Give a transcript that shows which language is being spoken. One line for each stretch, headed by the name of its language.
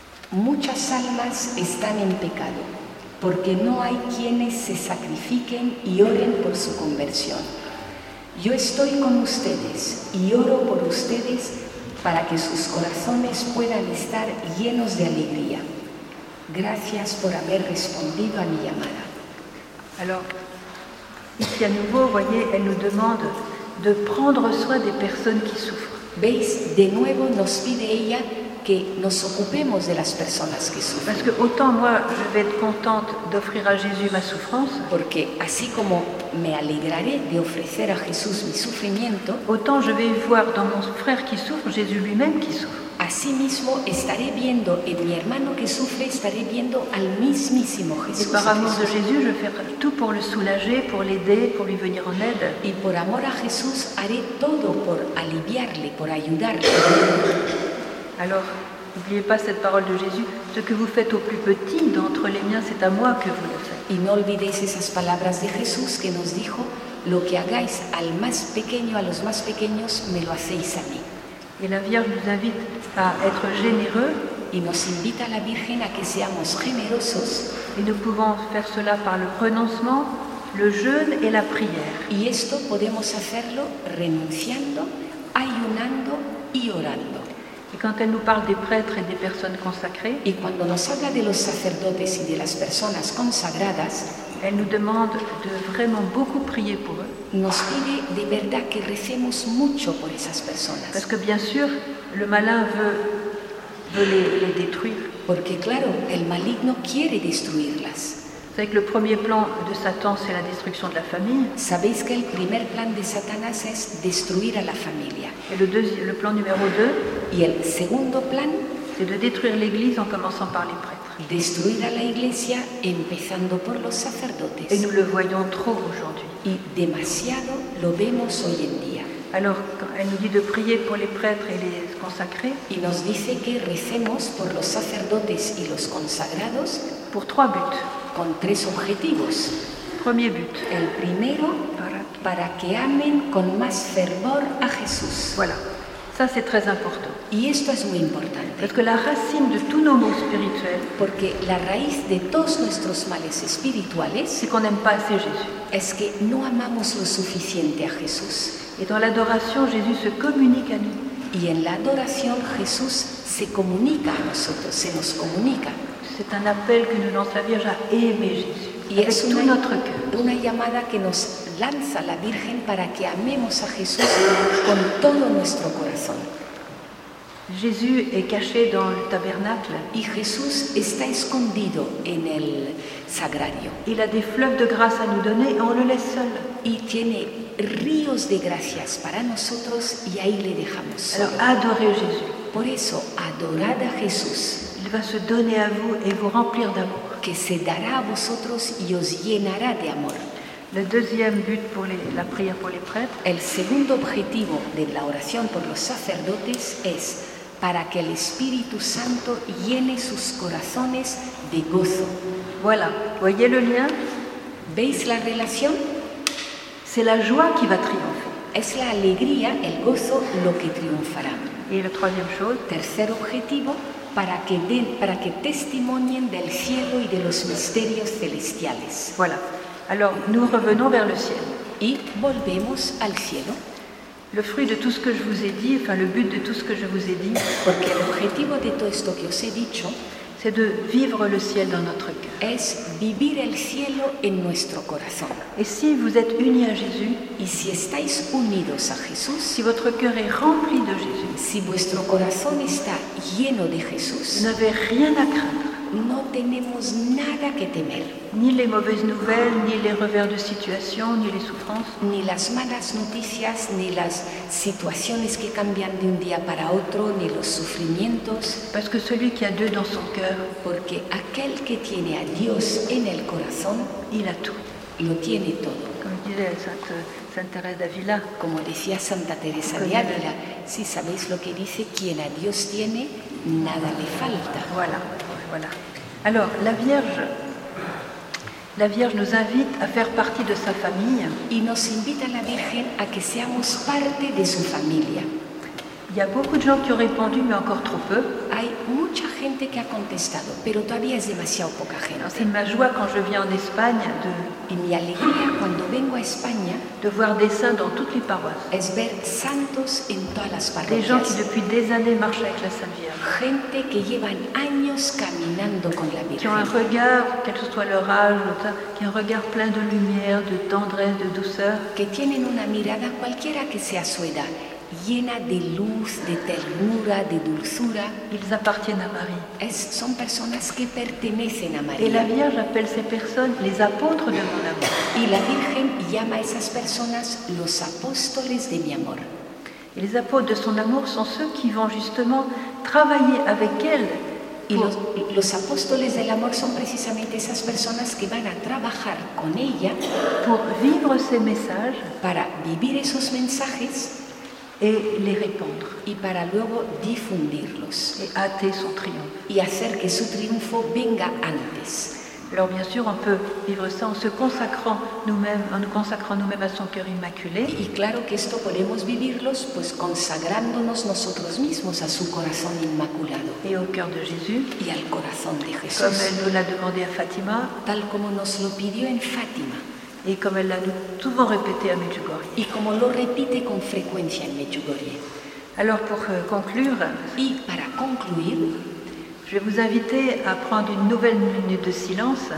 Spanish: Muchas almas están en pecado, porque no hay quienes se sacrifiquen y oren por su conversión. Yo estoy con ustedes y oro por ustedes para que sus corazones puedan estar llenos de alegría. Gracias por haber respondido a mi llamada.
French: Alors, ici à nouveau, voyez, elle nous demande de prendre soin des personnes qui souffrent.
Spanish: Veis, de nuevo nos pide ella que nos ocupemos de las personas que sufren.
French: Parce que autant moi, je vais être contente d'offrir à Jésus ma souffrance.
Spanish: Porque así como me alegraré de ofrecer a Jesús mi sufrimiento.
French: Autant je vais voir dans mon frère qui souffre, Jésus lui-même qui souffre.
Spanish: Asimismo, estaré viendo en mi hermano que sufre, estaré viendo al mismísimo Jesús. Y por amor de Jesús,
French: je ferai tout pour le soulager, pour l'aider, pour lui venir en aide.
Spanish: Y por amor a Jesús, haré todo por aliviarle, por ayudarle.
French: Alors, n'oubliez pas cette parole de Jésus, ce que vous faites au plus petit d'entre les miens, c'est à moi que vous le faites.
Spanish: Y no olvidéis esas palabras de Jesús que nos dijo, lo que hagáis al más pequeño, a los más pequeños, me lo hacéis a mí.
French: Et la Vierge nous invite à être généreux.
Spanish: Y nos invita la Virgen a que seamos generosos.
French: Et nous pouvons faire cela par le renoncement, le jeûne et la prière.
Spanish: Y esto podemos hacerlo renunciando, ayunando y orando.
French: Et quand elle nous parle des prêtres et des personnes consacrées,
Spanish: y cuando nos habla de los sacerdotes y de las personas consagradas,
French: elle nous demande de vraiment beaucoup prier pour eux.
Spanish: Nos pide de verdad que recemos mucho por esas personas.
French: Parce que bien sûr, le malin veut les détruire.
Spanish: Porque claro, el maligno quiere destruirlas.
French: C'est que le premier plan de Satan, c'est la destruction de la famille.
Spanish: Sabéis que el primer plan de Satanás es destruir a la familia.
French: Et le plan numéro 2,
Spanish: y el segundo plan,
French: c'est de détruire l'église en commençant par les prêtres.
Spanish: Destruir a la iglesia empezando por los sacerdotes.
French: Et nous le voyons trop aujourd'hui.
Spanish: Y demasiado lo vemos hoy en día.
French: Alors, elle nous dit de prier pour les prêtres et les consacrés.
Spanish: Y nos dice que recemos por los sacerdotes y los consagrados.
French: Pour trois buts.
Spanish: Con tres objetivos.
French: Premier but.
Spanish: El primero, para que amen con más fervor a Jesús.
French: Voilà. Ça, c'est très important.
Spanish: Y esto es muy importante.
French: Parce que la racine de tous nos maux spirituels,
Spanish: porque la raíz de todos nuestros males espirituales,
French: c'est qu'on n'aime pas assez Jésus.
Spanish: Es que no amamos lo suficiente a Jesús.
French: Et dans l'adoration, Jésus se communique à nous.
Spanish: Y en la adoración, Jesús se comunica a nosotros, se nos comunica.
French: C'est un appel que nous lance la Vierge à aimer Jésus.
Spanish: Y
French: avec
Spanish: es
French: tout
Spanish: una,
French: notre cœur.
Spanish: Una llamada que nos lanza la Virgen para que amemos a Jesús con todo nuestro corazón.
French: Jésus est caché dans le tabernacle.
Spanish: Y Jesús está escondido en el sagrario.
French: Il a des fleuves de grâce à nous donner et on le laisse seul.
Spanish: Y tiene ríos de gracias para nosotros y ahí le dejamos solo.
French: Alors, adorez Jésus.
Spanish: Por eso, adorad a Jesús.
French: Il va se donner à vous et vous remplir d'amour.
Spanish: Que se dará a vosotros y os llenará de amor.
French: Le deuxième but pour les, la prière pour les prêtres.
Spanish: El segundo objetivo de la oración por los sacerdotes es para que el Espíritu Santo llene sus corazones de gozo.
French: Voilà. Voyez le lien?
Spanish: ¿Veis la relación?
French: C'est la joie qui va triompher.
Spanish: Es la alegría, el gozo, lo que triunfará. Y
French: la troisième chose.
Spanish: Tercer objetivo, para que den, para que testimonien del cielo y de los misterios celestiales.
French: Voilà. Alors, nous revenons vers le ciel.
Spanish: Y volvemos al cielo.
French: Le fruit de tout ce que je vous ai dit, enfin le but de tout ce que je vous ai dit.
Spanish: Porque el objetivo de todo esto que os he dicho.
French: C'est de vivre le ciel dans notre cœur.
Spanish: Es vivir el cielo en nuestro corazón.
French: Et si vous êtes unis à Jésus,
Spanish: y si estáis unidos a Jesús,
French: si votre cœur est rempli de Jésus,
Spanish: si vuestro corazón está lleno de Jesús,
French: vous n'avez rien à craindre.
Spanish: No tenemos nada que temer.
French: Ni les mauvaises nouvelles, ni les revers de situation, ni les souffrances.
Spanish: Ni las malas noticias, ni las situaciones que cambian de un día para otro, ni los sufrimientos.
French: Parce que celui qui a Dieu dans son cœur,
Spanish: porque aquel que tiene a Dios en el corazón,
French: il a tout.
Spanish: Lo tiene todo.
French: Comme disait Saint Teresa d'Avila.
Spanish: Como decía Santa Teresa de Ávila, si sabéis lo que dice, quien a Dios tiene, nada le falta.
French: Voilà. Voilà. Alors, la Vierge nous invite à faire partie de sa famille.
Spanish: Y nos invita la Virgen a que seamos parte de su familia.
French: Il y a beaucoup de gens qui ont répondu, mais encore trop peu.
Spanish: Hay mucha gente que ha contestado, pero todavía es demasiado poca gente.
French: C'est ma joie quand je viens en Espagne de.
Spanish: Y mi alegría cuando vengo a España.
French: De voir des saints dans toutes les paroisses.
Spanish: Es ver santos en todas las parroquias.
French: Des gens qui depuis des années marchent avec la Sainte Vierge.
Spanish: Gente que llevan años caminando con la Virgen.
French: Qui ont un regard, quel que soit leur âge, qui ont un regard plein de lumière, de tendresse, de douceur.
Spanish: Que tienen una mirada cualquiera que sea su edad. Llena de luz, de ternura, de dulzura.
French: Ils appartiennent à Marie.
Spanish: Son personas que pertenecen a María.
French: Et la Vierge appelle ces personnes les apôtres de mon amour.
Spanish: Y la Virgen llama a esas personas los apóstoles de mi amor.
French: Et les apôtres de son amour sont ceux qui vont justement travailler avec elle.
Spanish: Y los apóstoles del amor son precisamente esas personas que van a trabajar con ella
French: pour vivre ces messages,
Spanish: para vivir esos mensajes.
French: Et les répandre.
Spanish: Y para luego difundirlos.
French: Et hâter son triomphe.
Spanish: Y hacer que su triunfo venga antes.
French: Alors bien sûr, on peut vivre ça en se consacrant nous-mêmes, en nous consacrant nous-mêmes à son cœur immaculé.
Spanish: Y claro que esto podemos vivirlos, pues consagrándonos nosotros mismos a su corazón inmaculado.
French: Et au cœur de Jésus.
Spanish: Y al corazón de Jesús.
French: Comme elle nous l'a demandé à Fatima.
Spanish: Tal como nos lo pidió en Fátima.
French: Et comme elle l'a souvent répété à Medjugorje.
Spanish: Y como lo repite con frecuencia en Medjugorje.
French: Alors pour conclure.
Spanish: Y para concluir.
French: Je vais vous inviter à prendre une nouvelle minute de silence.